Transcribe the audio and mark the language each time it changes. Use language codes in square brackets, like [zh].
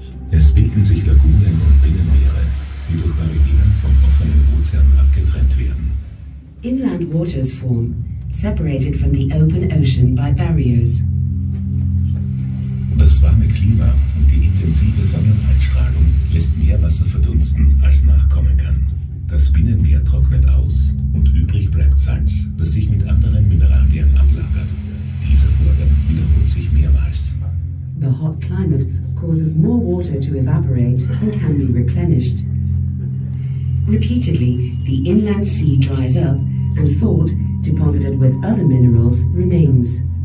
[de] Es bilden sich Lagunen und Binnenmeere, die durch Barrieren vom offenen Ozean abgetrennt werden. [en] Inland waters form, separated from the open ocean by barriers. [de] Das warme Klima und die intensive Sonneneinstrahlung lässt mehr Wasser verdunsten, als nachkommen kann. Das Binnenmeer trocknet aus und übrig bleibt Salz, das sich mit anderen Mineralien ablagert. Dieser Vorgang wiederholt sich mehrmals. [en] The hot climate causes more water to evaporate and can be replenished. Repeatedly, the inland sea dries up and salt, deposited with other minerals, remains.